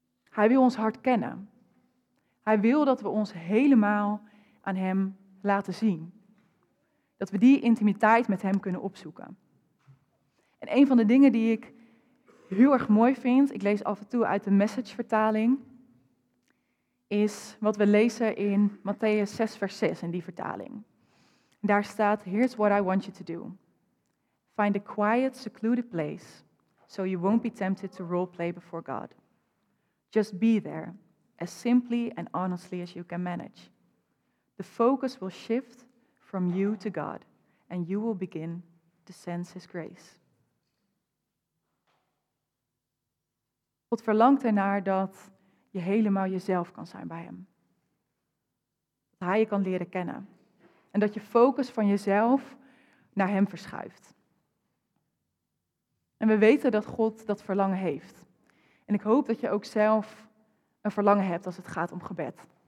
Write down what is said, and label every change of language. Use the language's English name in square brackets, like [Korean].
[Dutch] Hij wil ons hart kennen. Hij wil dat we ons helemaal aan hem laten zien. Dat we die intimiteit met hem kunnen opzoeken. En een van de dingen die ik heel erg mooi vind, ik lees af en toe uit de Message-vertaling, is wat we lezen in Matthäus 6, vers 6, in die vertaling. Daar staat, [English] here's what I want you to do. Find a quiet, secluded place, so you won't be tempted to roleplay before God. Just be there, as simply and honestly as you can manage. The focus will shift from you to God, and you will begin to sense his grace. [Dutch] God verlangt ernaar dat je helemaal jezelf kan zijn bij hem. Dat hij je kan leren kennen. En dat je focus van jezelf naar hem verschuift. En we weten dat God dat verlangen heeft. En ik hoop dat je ook zelf een verlangen hebt als het gaat om gebed.